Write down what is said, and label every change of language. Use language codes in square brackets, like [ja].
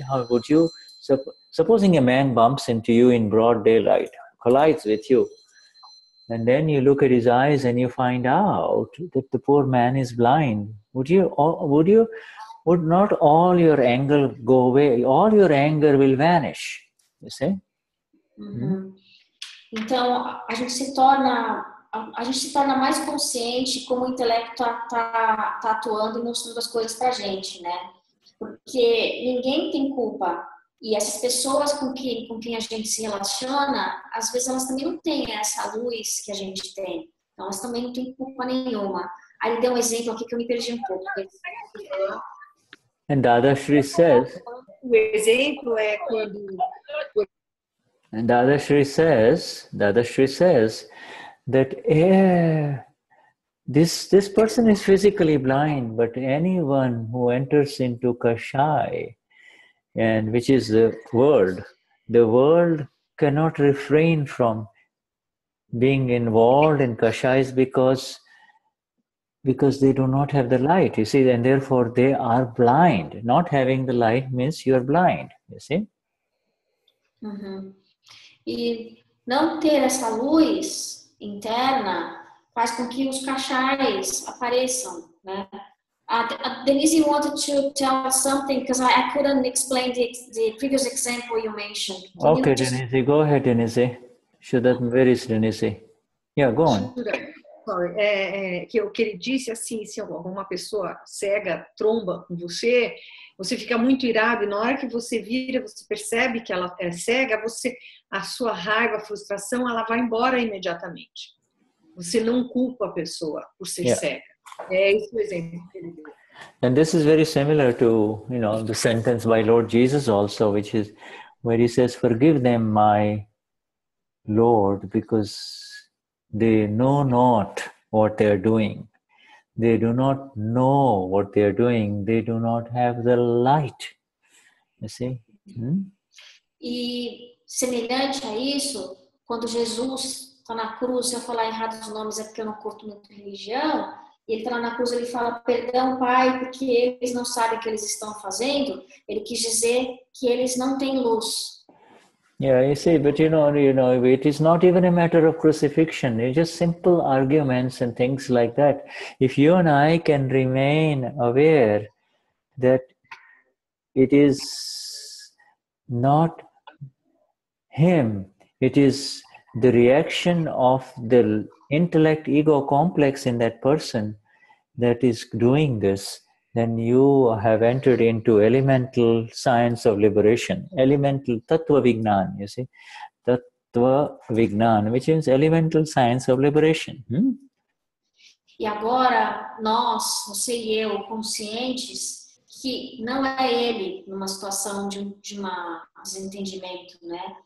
[en] How would you, supposing a man bumps into you in broad daylight, collides with you, and then you look at his eyes and you find out that the poor man is blind, would not all your anger go away? All your anger will vanish, you say? [pt] Então, a gente se torna mais consciente como o intelecto tá atuando e mostrando as coisas pra gente, né? Porque ninguém tem culpa. E essas pessoas com quem a gente se relaciona, às vezes elas também não têm essa luz que a gente tem. Então elas também não têm culpa nenhuma. Aí deu um exemplo aqui que eu me perdi um pouco. [en] And Dada Shri says... [pt] O exemplo é quando... [en] And Dada Shri says... that this person is physically blind, but anyone who enters into Kashai, and which is the world cannot refrain from being involved in Kashais because they do not have the light, you see, and therefore they are blind. Not having the light means you are blind, you see. [pt] Mm-hmm. E não ter essa luz interna faz com que os cachais apareçam, né? [en] Denise wanted to tell something because I couldn't explain the previous example you mentioned. Can okay, you just... Denise, go ahead, Denise. Should that be very easy, Denise? Yeah, go on. Sorry. [pt] Que ele disse assim, se alguma pessoa cega tromba com você, você fica muito irado e na hora que você vira, você percebe que ela é cega, você, a sua raiva, a frustração, ela vai embora imediatamente. Você não culpa a pessoa por ser cega. É esse o exemplo que ele deu. [en] And this is very similar to, you know, the sentence by Lord Jesus also, which is where he says, forgive them, my Lord, because they know not what they are doing. They do not know what they are doing. They do not have the light. You see? [pt] E semelhante a isso, quando Jesus está na cruz, se eu falar errado os nomes é porque eu não curto muito religião, e ele está lá na cruz, ele fala, perdão, Pai, porque eles não sabem o que eles estão fazendo. Ele quis dizer que eles não têm luz. [en] Yeah, you see, but you know, it is not even a matter of crucifixion. It's just simple arguments and things like that. If you and I can remain aware that it is not him, it is the reaction of the intellect ego complex in that person that is doing this, then you have entered into elemental science of liberation. Elemental tattva vignan, you see. Tattva vignan, which means elemental science of liberation. [pt] E agora, nós, você e eu, conscientes, que não é ele numa situação de um desentendimento, né?